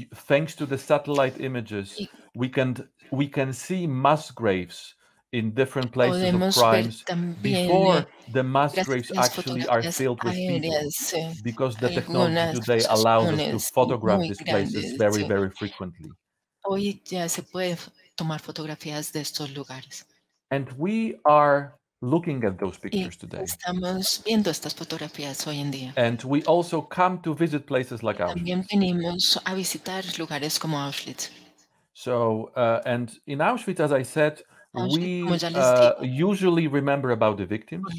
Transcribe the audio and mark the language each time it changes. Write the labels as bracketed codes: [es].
[en] Thanks to the satellite images, we can see mass graves in different places of crimes before the mass graves actually are filled with people, because the technology today allows us to photograph these places very, very frequently. [es] Hoy ya se puede tomar fotografías de estos lugares. [en] And we are looking at those pictures today. [es] Estamos viendo estas fotografías hoy en día. [en] And we also come to visit places like Auschwitz. [es] También venimos a visitar lugares como Auschwitz. [en] So, and in Auschwitz, as I said, we usually remember about the victims.